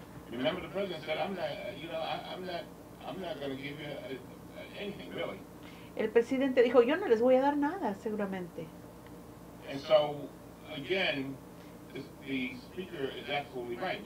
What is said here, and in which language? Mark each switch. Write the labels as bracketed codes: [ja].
[en] Remember the president said, I'm not going to give you anything, really. [es] El presidente dijo, yo no les voy a dar nada, seguramente. [en] And so, again, the speaker is absolutely right.